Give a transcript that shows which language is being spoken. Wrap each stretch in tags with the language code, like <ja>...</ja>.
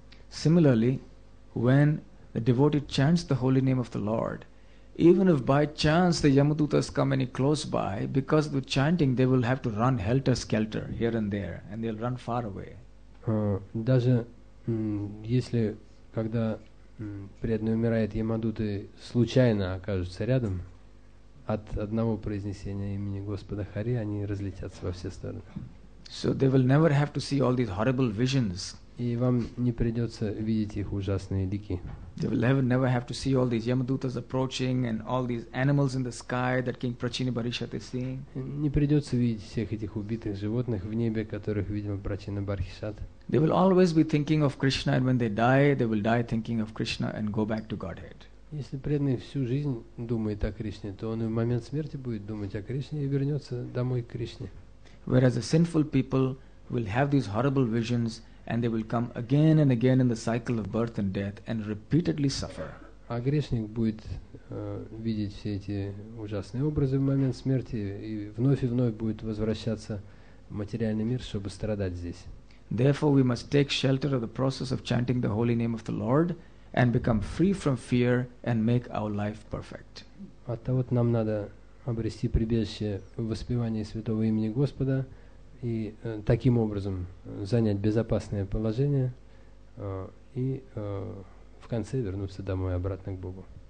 <en>Similarly, when the devotee chants the holy name of the Lord, even if by chance the Yamadutas come any close by, because of the chanting they will have to run helter-skelter here and there, and they'll run far away.</en> <ru>Даже если когда преданный умирает, Ямадуты случайно окажутся рядом, от одного произнесения имени Господа Хари они разлетятся во все стороны.</ru> <en>So they will never have to see all these horrible visions.</en> <ru>И вам не придется видеть их ужасные лики.</ru> <en>They will never have to see all these Yamadutas approaching and all these animals in the sky that King Prachini Barishat is seeing.</en> <ru>Не придется видеть всех этих убитых животных в небе, которых видел Прачина Бархишат.</ru> <en>They will always be thinking of Krishna, and when they will die thinking of Krishna and go back to Godhead.</en> <ru>Если преданный всю жизнь думает о Кришне, то он и в момент смерти будет думать о Кришне и вернется домой к Кришне.</ru> <en>Whereas the sinful people will have these horrible visions, and they will come again and again in the cycle of birth and death and repeatedly suffer.</en> <ru>А грешник будет видеть все эти ужасные образы в момент смерти и вновь будет возвращаться в материальный мир, чтобы страдать здесь.</ru> <en>Therefore, we must take shelter of the process of chanting the holy name of the Lord and become free from fear and make our life perfect.</en> <ru>Оттого нам надо обрести прибежище в воспевании святого имени Господа и таким образом занять безопасное положение и в конце вернуться домой обратно к Богу.</ru>